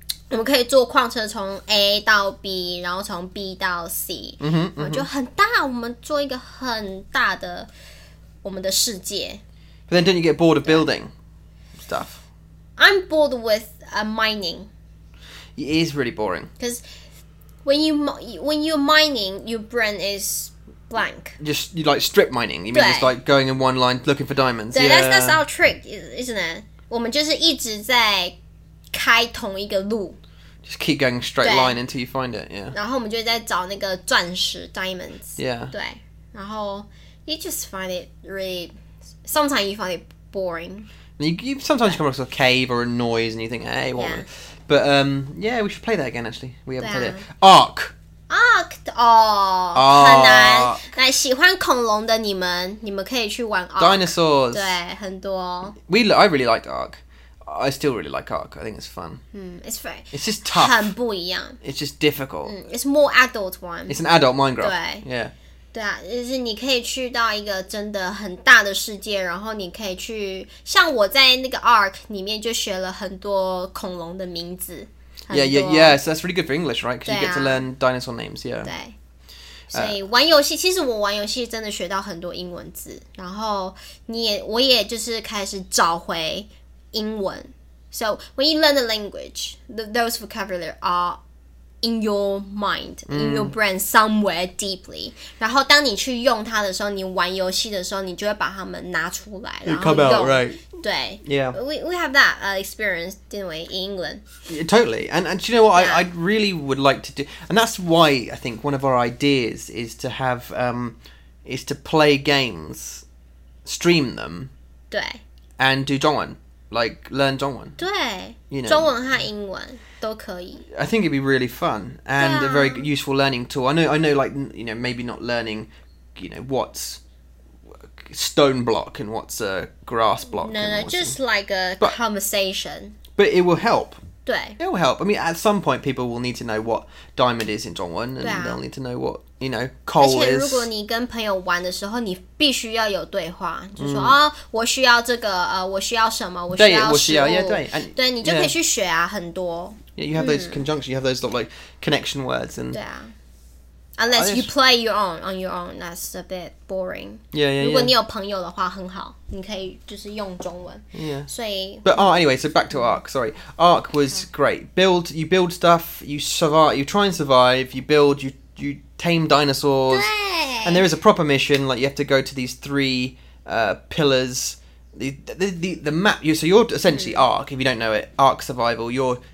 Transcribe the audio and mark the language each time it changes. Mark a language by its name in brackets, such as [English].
[Chinese] 我们可以坐矿车从 A 到 B, 然后从 B 到 C, 就很大。我们做一个很大的。我们的世界 [English] But then don't you get bored of building stuff? I'm bored with mining. It is really boring. Because when you're mining, your brain is blank. Just you like strip mining. You mean just like going in one line looking for diamonds. [Chinese] 对、 [English] yeah. that's our trick, isn't it? [Chinese] 我们就是一直在开同一个路 [English] Just keep going straight line until you find it, yeah. [Chinese] 然后我们就在找那个钻石 diamonds. [English] Yeah. [Chinese] 对，然后 [English] You just find it really... Sometimes you find it boring. Sometimes you come across a cave or a noise and you think, hey, what? Yeah. But, yeah, we should play that again, actually. We haven't played it. Ark! [Chinese] Ark! Oh, 很难。那喜欢恐龙的你们可以去玩 Ark. [English] Dinosaurs! [Chinese] 对，很多。 [English] I really liked Ark. I still really like Ark. I think it's fun. It's just tough. [Chinese] 很不一样。 [English] It's just difficult. It's more adult one. It's an adult Minecraft. [Chinese] 对。 [English] Yeah. [Chinese] 对啊，就是你可以去到一个真的很大的世界，然后你可以去像我在那个 Ark 里面就学了很多恐龙的名字。 [English] Yeah, yeah, yeah. So that's really good for English, right? Because you get to learn dinosaur names. Yeah. [Chinese] 对。所以玩游戏，其实我玩游戏真的学到很多英文字，然后我也就是开始找回英文。 [English] So when you learn a language, those vocabulary are. In your mind, in your brain, somewhere deeply. [Chinese] 然后当你去用它的时候，你玩游戏的时候，你就会把它们拿出来。 [English] It come out, right? [Chinese] 对 [English] ，Yeah. We have that experience, didn't we, in England? Yeah, totally. And you know what? I really would like to do. And that's why I think one of our ideas is to have is to play games, stream them, [Chinese] 对 [English] and do 中文 like learn 中文 [Chinese] 对 [English] you know, [Chinese] 中文和英文。都可以 [English] I think it'd be really fun and a very useful learning tool. I know, like, you know, maybe not learning, you know, what's stone block and what's a grass block. No, just like a conversation. But it will help. [Chinese] 对 [English] It will help. I mean, at some point, people will need to know what diamond is in 中文 and they'll need to know what, you know, coal is. [Chinese] 而且如果你跟朋友玩的时候你必须要有对话就说、mm. 哦、我需要这个、我需要什么我需要食物 yeah, 对 and, 对你就可以去学啊 [English] yeah. [Chinese] 很多 [English] Yeah, you have those conjunctions, you have those like connection words. And... Yeah. Unless you play on your own, that's a bit boring. Yeah, yeah, yeah. [Chinese] 如果你有朋友的话很好你可以就是用中文。 [English] Yeah. [Chinese] 所以 [English] But, anyway, so back to Ark, sorry. Ark was great. You build stuff, you survive, you try and survive, you build, you tame dinosaurs. [Chinese] 对 [English] And there is a proper mission, like you have to go to these three pillars. The map, so you're essentially Ark, if you don't know it, Ark Survival, you're...